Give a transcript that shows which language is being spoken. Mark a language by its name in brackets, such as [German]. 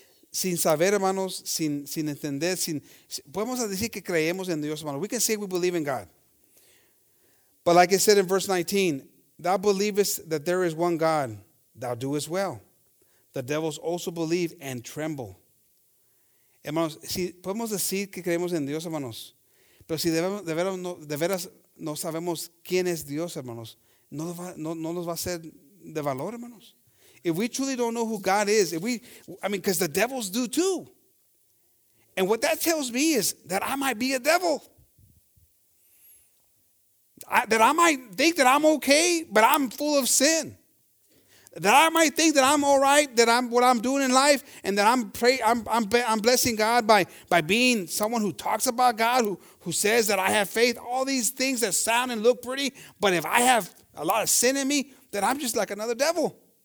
[Spanish] Sin saber, hermanos, sin entender, sin podemos decir que creemos en Dios, hermanos. [English] We can say we believe in God. But like it said in verse 19, thou believest that there is one God, thou doest well. The devils also believe and tremble. [Spanish] Hermanos, si podemos decir que creemos en Dios, hermanos, pero si de veras no sabemos quién es Dios, hermanos, no nos va a hacer de valor, hermanos. [English] If we truly don't know who God is, because the devils do too. And what that tells me is that I might be a devil. That I might think that I'm okay, but I'm full of sin. That I might think that I'm all right, that I'm what I'm doing in life, and that I'm blessing God by being someone who talks about God, who says that I have faith, all these things that sound and look pretty, but if I have a lot of sin in me, then I'm just like another devil.